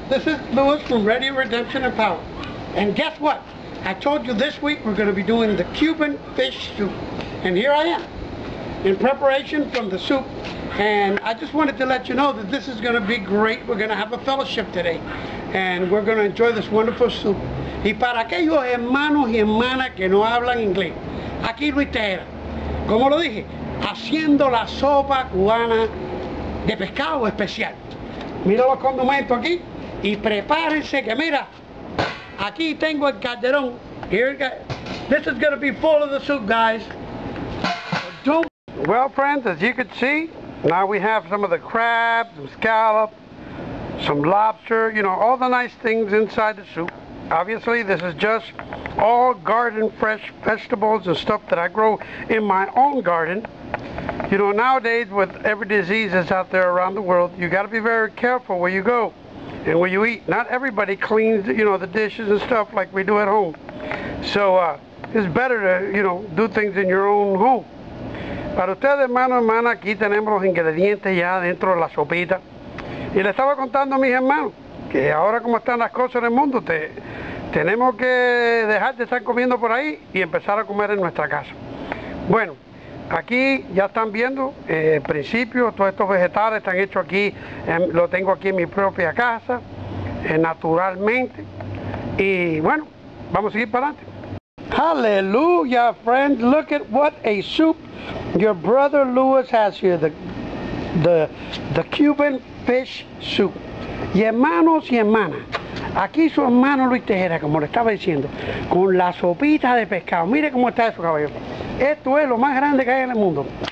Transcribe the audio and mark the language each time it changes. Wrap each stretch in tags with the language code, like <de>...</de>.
<en>This is Lewis from Ready Redemption and Power. And guess what? I told you this week we're going to be doing the Cuban fish soup. And here I am in preparation from the soup. And I just wanted to let you know that this is going to be great. We're going to have a fellowship today. And we're going to enjoy this wonderful soup.</en> <es>Y para aquellos hermanos y hermanas que no hablan inglés, aquí Luis Tejera. Como lo dije, haciendo la sopa cubana de pescado especial. Mira los condimentos aquí y prepárense que mira, aquí tengo el calderón.</es> <en>This is going to be full of the soup, guys. Well, friends, as you can see, now we have some of the crab, some scallop, some lobster, you know, all the nice things inside the soup. Obviously, this is just all garden fresh vegetables and stuff that I grow in my own garden. You know, nowadays with every disease that's out there around the world, you got to be very careful where you go and where you eat. Not everybody cleans, you know, the dishes and stuff like we do at home. So it's better to, you know, do things in your own home.</en> <es>Para ustedes, hermano, hermana, aquí tenemos los ingredientes ya dentro de la sopita. Y le estaba contando a mis hermanos que ahora como están las cosas en el mundo, tenemos que dejar de estar comiendo por ahí y empezar a comer en nuestra casa. Bueno. Aquí ya están viendo, el principio, todos estos vegetales están hechos aquí, lo tengo aquí en mi propia casa, naturalmente. Y bueno, vamos a seguir para adelante.</es> <en>Hallelujah, friends. Look at what a soup your brother Lewis has here, the Cuban fish soup.</en> <es>Y hermanos y hermanas, aquí su hermano Luis Tejera, como le estaba diciendo, con la sopita de pescado. Mire cómo está eso, caballero. Esto es lo más grande que hay en el mundo.</es>